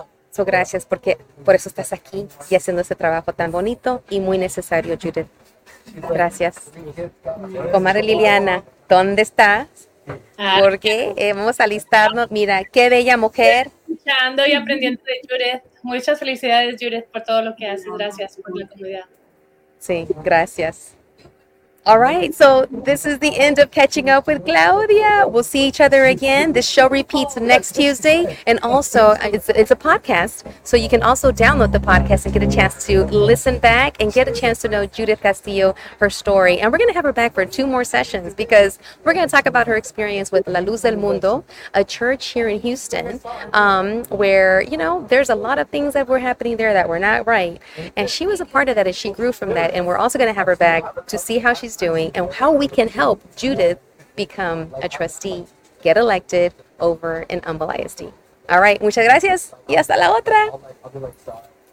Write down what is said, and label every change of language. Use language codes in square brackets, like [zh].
[es] So, gracias, porque por eso estás aquí y haciendo ese trabajo tan bonito y muy necesario, Judith. Gracias. Comadre Liliana, ¿dónde estás? Porque vamos a alistarnos. Mira, qué bella mujer. Escuchando y aprendiendo de Judith. Muchas felicidades, Judith, por todo lo que haces. Gracias por la comunidad. Sí, gracias. [en] All right, so this is the end of Catching Up with Claudia. We'll see each other again. The show repeats next Tuesday, and also it's a podcast, so you can also download the podcast and get a chance to listen back and get a chance to know Judith Castillo, her story. And we're going to have her back for two more sessions because we're going to talk about her experience with La Luz del Mundo, a church here in Houston, where, you know, there's a lot of things that were happening there that were not right. And she was a part of that as she grew from that, and we're also going to have her back to see how she's doing and how we can help Judith become a trustee, get elected over in Humble ISD. All right, [es] muchas gracias y hasta la otra.